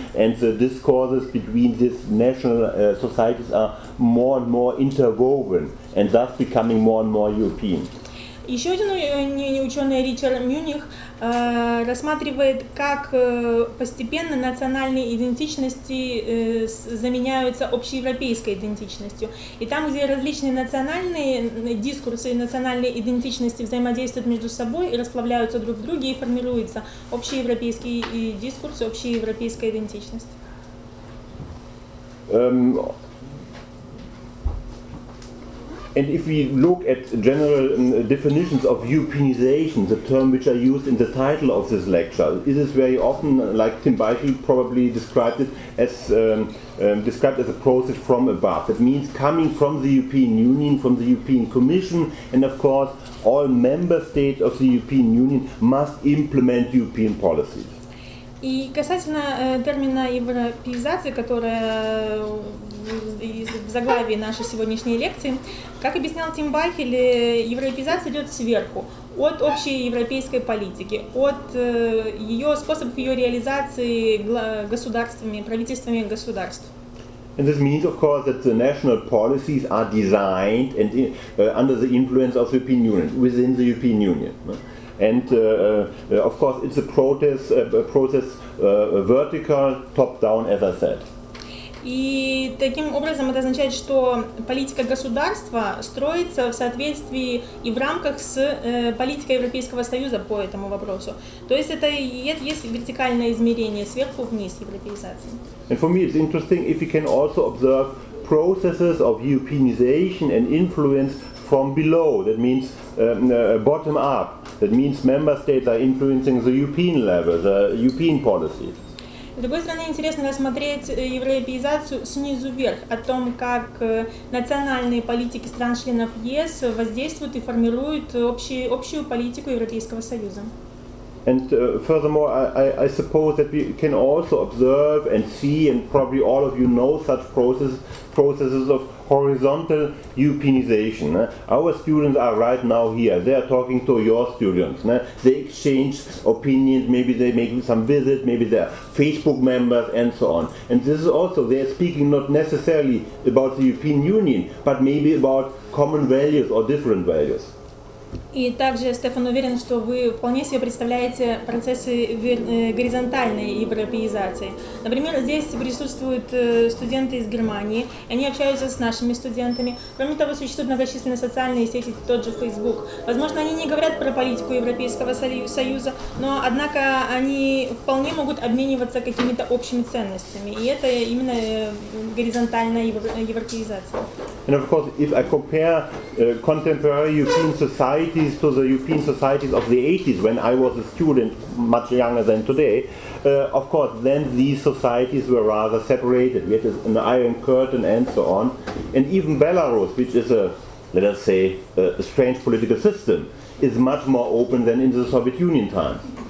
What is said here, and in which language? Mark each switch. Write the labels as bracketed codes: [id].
[en] and the discourses between these national societies are more and more interwoven and thus becoming more and more European. [ru] Еще один ученый Ричард Мюних рассматривает, как постепенно национальные идентичности заменяются общеевропейской идентичностью. И там, где различные национальные дискурсы и национальные идентичности взаимодействуют между собой и расплавляются друг в друге, и формируются общеевропейские дискурсы, общеевропейская идентичность. [en] And if we look at general definitions of Europeanization, the term which I used in the title of this lecture, this is very often, like Tim Beichel probably described it, as described as a process from above. That means coming from the European Union, from the European Commission, and of course all member states of the European Union must implement European policies. [ru] И касательно термина европеизация, которая в заглавии нашей сегодняшней лекции, как объяснял Тим Байхель, европеизация идет сверху, от общей европейской политики, от ее способов ее реализации государствами, правительствами государств. [en] And this means, of course, that the national policies are designed and under the influence of the European Union, within the European Union. And of course, it's a process, vertical, top down, as I said. [ru] И таким образом это означает, что политика государства строится в соответствии и в рамках с политикой Европейского Союза по этому вопросу. То есть это есть вертикальное измерение сверху вниз европеизации. [en] And for me, it's interesting if we can also observe processes of Europeanization and influence from below. That means bottom up. That means member states are influencing the European level, the European policies. [ru] С другой стороны, интересно рассмотреть европеизацию снизу вверх, о том, как национальные политики стран-членов ЕС воздействуют и формируют общую политику Европейского Союза. [en] And furthermore, I suppose that we can also observe and see, and probably all of you know such processes of horizontal Europeanization. Our students are right now here. They are talking to your students. They exchange opinions. Maybe they make some visits. Maybe they are Facebook members and so on. And this is also, they are speaking not necessarily about the European Union, but maybe about common values or different values. [ru] И также Стефан уверен, что вы вполне себе представляете процессы горизонтальной европеизации. Например, здесь присутствуют студенты из Германии, и они общаются с нашими студентами. Кроме того, существуют многочисленные социальные сети, тот же Facebook. Возможно, они не говорят про политику Европейского Союза, но однако они вполне могут обмениваться какими-то общими ценностями. И это именно горизонтальная европеизация. [en] And of course, if I compare contemporary European societies to the European societies of the 80s, when I was a student, much younger than today, of course, then these societies were rather separated. We had an iron curtain and so on. And even Belarus, which is a, let us say, a strange political system, is much more open than in the Soviet Union time.